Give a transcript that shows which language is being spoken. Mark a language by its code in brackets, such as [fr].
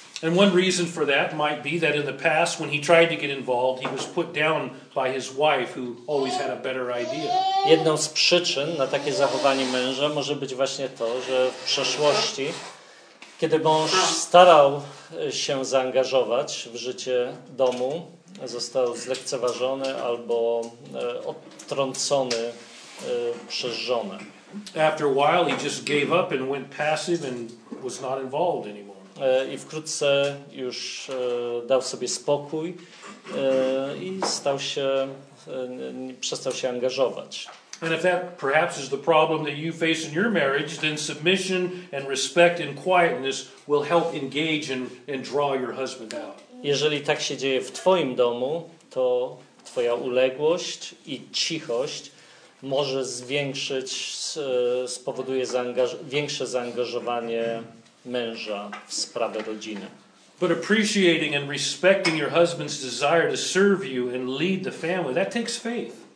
[en] And one reason for that might be that in the past, when he tried to get involved, he was put down by his wife, who always had a better idea. [pl] Jedną z przyczyn na takie zachowanie męża może być właśnie to, że w przeszłości, kiedy mąż starał się zaangażować w życie domu, został zlekceważony albo odtrącony przez żonę. [en] After a while he just gave up and went passive and was not involved anymore. [pl] I wkrótce już dał sobie spokój i stał się przestał się angażować. [en] And if that perhaps is the problem that you face in your marriage, then submission and respect and quietness will help engage and draw your husband out. [pl] Jeżeli tak się dzieje w twoim domu, to twoja uległość i cichość może zwiększyć, spowoduje większe zaangażowanie męża w sprawę rodziny. [en] But appreciating and respecting your husband's desire to serve you and lead the family, that takes faith.